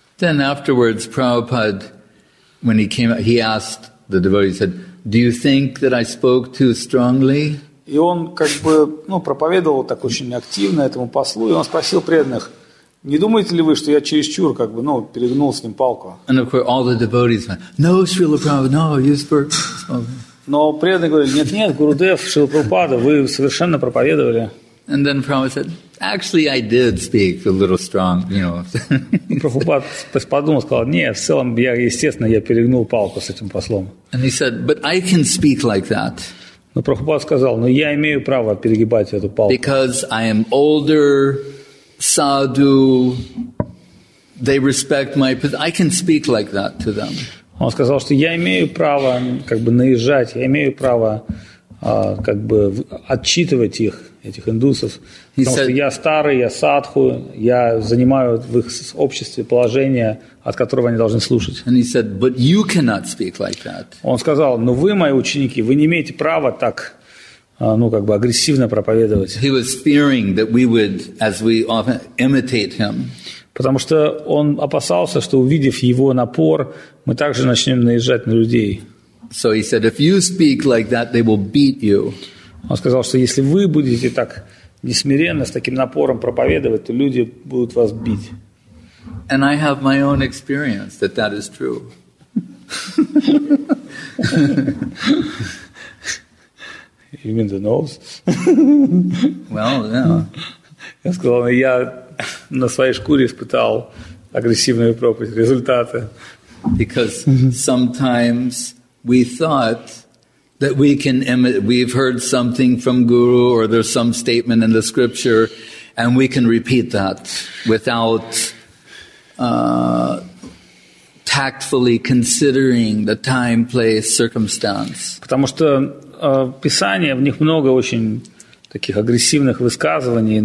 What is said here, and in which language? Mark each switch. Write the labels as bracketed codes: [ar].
[en] Then afterwards, Prabhupada, when he came out, he asked the devotee, he said, do you think that I spoke too strongly? [ru] И он проповедовал так очень активно этому послу, и он спросил преданных, не думаете ли вы, что я чересчур перегнул с ним палку? [en] And of course, all the devotees went, no, Srila Prabhupada, no, you spoke. [ru] Но преданные говорили, нет, Гурудев, Шрила Прабхупада, вы совершенно проповедовали. [en] And then Prabhupada said, actually, I did speak a little strong, you know. [ru] Прабхупада подумал, сказал, нет, в целом, я перегнул палку с этим послом. [en] And he said, but I can speak like that. [ru] Но Прабхупада сказал, я имею право перегибать эту палку. [en] Because I am older, sadhu, they respect my, I can speak like that to them. [ru] Он сказал, что я имею право наезжать, я имею право отчитывать их, этих индусов, потому что я старый, я садху, я занимаю в их обществе положение, от которого они должны слушать. [en] And he said, but you cannot speak like that. [ru] Он сказал, вы, мои ученики, вы не имеете права так агрессивно проповедовать. [en] He was fearing that we would, as we often, imitate him. [ru] Потому что он опасался, что увидев его напор, мы также начнем наезжать на людей. [en] So he said, if you speak like that, they will beat you. [ru] Он сказал, что если вы будете так несмиренно с таким напором проповедовать, то люди будут вас бить. [en] And I have my own experience that is true. You mean the nose? Well, yeah. [ru] Я сказал, я на своей шкуре испытал агрессивную проповедь, результаты. [en] Because sometimes we thought that we can we've heard something from Guru or there's some statement in the scripture and we can repeat that without tactfully considering the time, place, circumstance. [ru] Потому что Писание, в них много очень таких агрессивных высказываний.